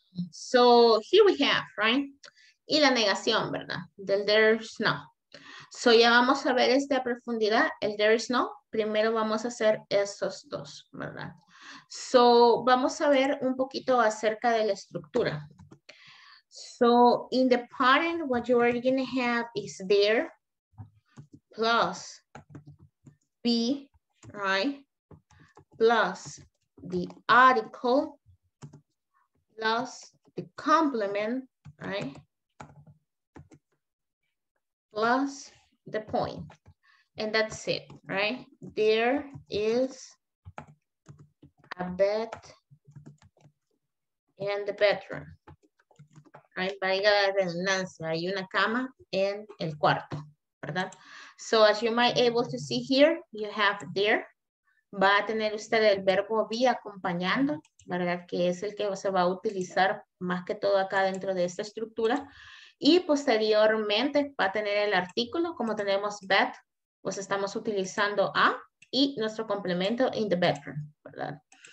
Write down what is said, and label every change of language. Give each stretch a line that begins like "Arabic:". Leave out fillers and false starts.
English: So, here we have, right?
Spanish: Y la negación, ¿verdad? Del there's no. So, ya vamos a ver este a profundidad, el there's no. Primero vamos a hacer esos dos, ¿verdad? So, vamos a ver un poquito acerca de la estructura.
English: So in the pattern, what you are going to have is there plus be, right? Plus the article, plus the complement, right? Plus the point. And that's it, right? There is a bed and the bedroom.
Spanish: Right, valga la redundancia, hay una cama en el cuarto, ¿verdad?
English: So as you might able to see here, you have there.
Spanish: Va a tener usted el verbo be acompañando, ¿verdad? Que es el que se va a utilizar más que todo acá dentro de esta estructura. y posteriormente va a tener el artículo, como tenemos bed, pues estamos utilizando a y nuestro complemento
English: in the bedroom,
Spanish: ¿verdad?